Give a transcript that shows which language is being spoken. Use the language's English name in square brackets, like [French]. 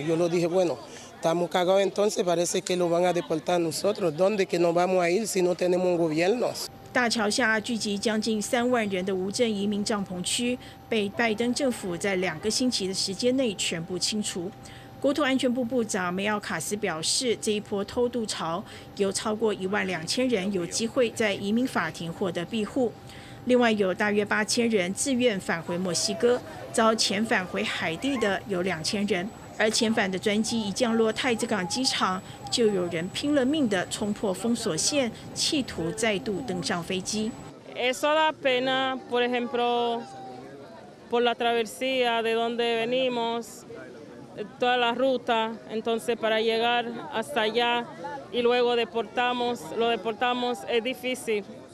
[Spanish] Yo lo dije, bueno, estamos cagados entonces, parece que lo van a deportar a nosotros. ¿Dónde que nos vamos a ir si no tenemos un gobierno? [Chinese] 大桥下聚集将近3万人的无证移民帐篷区，被拜登政府在2个星期的时间内全部清除。国土安全部部长梅奥卡斯表示，这一波偷渡潮有超过12000人有机会在移民法庭获得庇护，另外有大约8000人自愿返回墨西哥，遭遣返回海地的有2000人。而遣返的专机一降落太子港机场，就有人拼了命地冲破封锁线，企图再度登上飞机。 [Spanish] Eso da pena, por ejemplo, por la travesía de donde venimos, toda la ruta. Entonces, para llegar hasta allá y luego deportamos, es difícil.